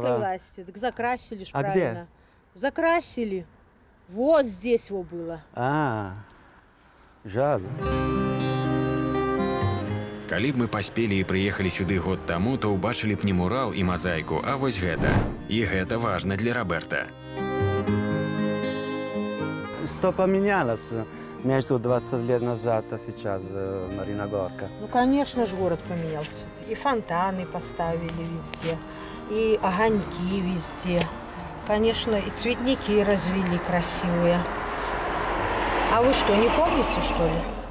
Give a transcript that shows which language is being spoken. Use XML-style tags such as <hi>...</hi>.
<uk>власті. Так закрасили ж правильно. А де? Закрасили. Ось здесь його було. А, жаль. Коли б ми поспіли і приїхали сюди год тому, то побачили б не мурал і мозаїку, а</uk> <be>ось гэта. І гэта важна для Роберта.</be> <ru>Что поменялось между 20 лет назад и сейчас Марина Горка? Ну, конечно же, город поменялся. И фонтаны поставили везде, и огоньки везде. Конечно, и цветники развели красивые. А вы что, не помните, что ли?</ru>